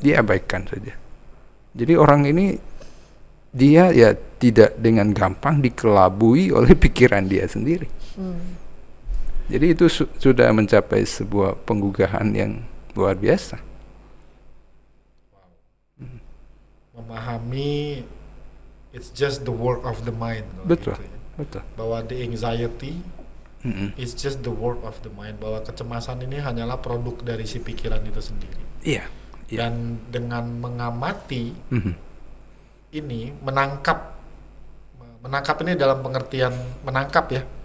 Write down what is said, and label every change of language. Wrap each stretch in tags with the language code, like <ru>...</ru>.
<id>diabaikan saja. Jadi orang ini dia ya tidak dengan gampang dikelabui oleh pikiran dia sendiri. Jadi itu sudah mencapai sebuah penggugahan yang luar biasa. Memahami</id> <en>it's just the work of the mind.</en> <id>Betul, gitu ya. Betul. Bahwa</id> <en>the anxiety. It's just the work of the mind,</en> <id>bahwa kecemasan ini hanyalah produk dari si pikiran itu sendiri. Iya. Dan dengan mengamati ini, menangkap ini dalam pengertian menangkap ya.</id>